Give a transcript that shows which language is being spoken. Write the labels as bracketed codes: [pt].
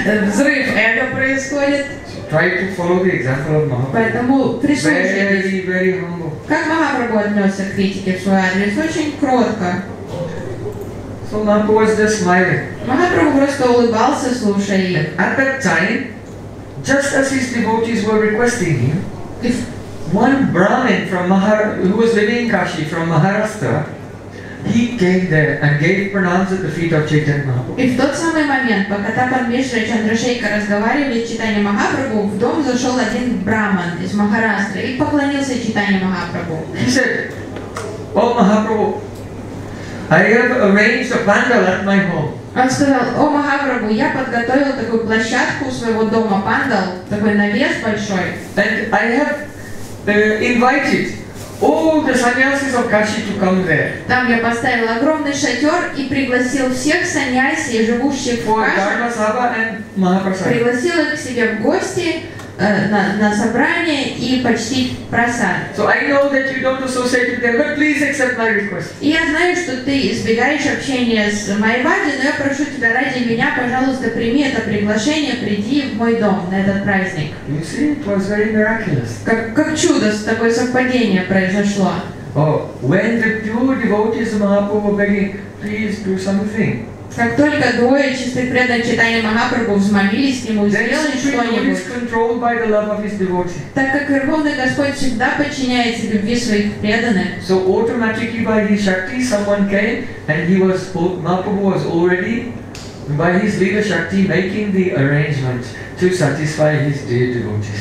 [ru] Взрыв эго происходит. [en] Try to follow the example of Mahaprabhu. Very, very humble. [ru] Как Махапрабху отнесся к критике в свой адрес? Очень кротко. [en] So Mahaprabhu was just smiling. [ru] Махапрабху просто улыбался, слушая их. [en] At that time, just as his devotees were requesting him, one Brahmin from who was living in Kashi from Maharashtra, he came there and gave pranams at the feet of Chaitanya Mahaprabhu. [ru] И в тот самый момент, пока Тапан Мишра и Чандрашейка разговаривали с Чайтанья Махапрабху, в дом зашел один Брахман из Махарастры и поклонился Чайтанье Махапрабху. [en] He said, "О Махапрабху, I have arranged a pandal at my home." [ru] Он сказал, "О Махапрабху, я подготовил такую площадку у своего дома, пандал, такой навес большой." [en] And I have invited all the sannyasis of Kashi to come there. [ru] Там я поставил огромный шатер и пригласил всех саньяси, живущих в Каши. Пригласил их к себе в гости на собрание и почтить прасад. [en] So I know that you don't associate with them, but please accept my request. [ru] И я знаю, что ты избегаешь общения с Майвади, но я прошу тебя ради меня, пожалуйста, прими это приглашение, приди в мой дом на этот праздник. [en] You see, it was very miraculous. [ru] Как чудо, такое совпадение произошло. [en] Oh, when the two devotees of Mahaprabhu were begging, please do something. [ru] Как только двое чистых преданных Чайтанья Махапрабху взмолились к нему, сделали что-нибудь. Так как Верховный Господь всегда подчиняется любви своих преданных. [en] So automatically by his shakti someone came and Mahaprabhu was already by his leader shakti making the arrangements to satisfy his dear devotees.